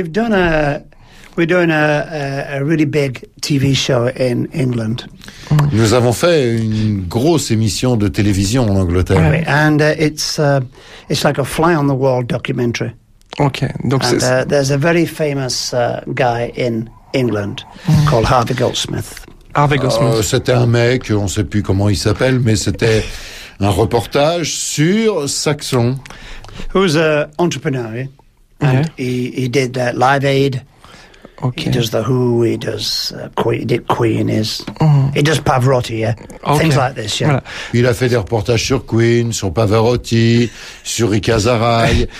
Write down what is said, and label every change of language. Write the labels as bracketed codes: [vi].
[en] We're doing a really big TV show in England. [fr] Nous avons fait une grosse émission de télévision en Angleterre. [en] Right. And it's like a fly on the wall documentary. [fr] Okay. Donc [en] and, there's a very famous guy in England called Harvey Goldsmith. Harvey Goldsmith. [fr] C'était un mec, on ne sait plus comment il s'appelle, mais c'était un reportage sur Saxon. [en] He was an entrepreneur, and he did Live Aid. Okay. He does The Who, he does Queen, he did Queen, is he does Pavarotti, things like this, [fr] voilà. Il a fait des reportages sur Queen, sur Pavarotti, sur Rick Azaray,